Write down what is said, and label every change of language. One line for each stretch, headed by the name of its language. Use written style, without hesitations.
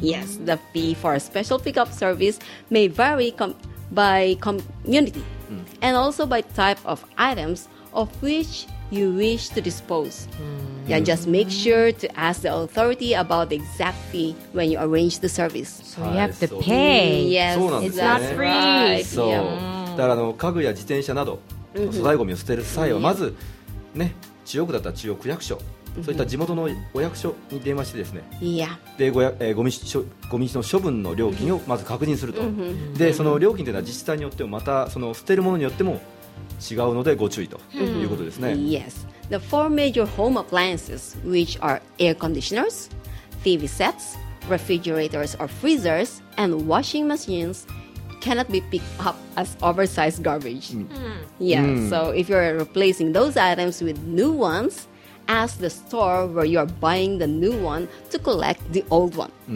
English: Yes, the fee for a special pickup service may vary by community、mm. and also by type of items of which you wish to dispose. Yeah, just make sure to ask the authority about the exact fee when you arrange the service. So you have to pay. Yes, it's not free.
Japanese: そう。だからあの家具や自転車など粗大ごみを捨てる際はまずね、中央区だったら中央区役所、そういった地元のお役所に電話してですね。で、ごみの処分の料金をまず確認すると。で、その料金というのは自治体によってもまたその捨てるものによっても違うのでご注意ということですね。
English: Yes. The four major home appliances, which are air conditioners, TV sets, refrigerators or freezers, and washing machines, cannot be picked up as oversized garbage. Yeah, so if you're replacing those items with new ones, ask the store where you're buying the new one to collect the old one.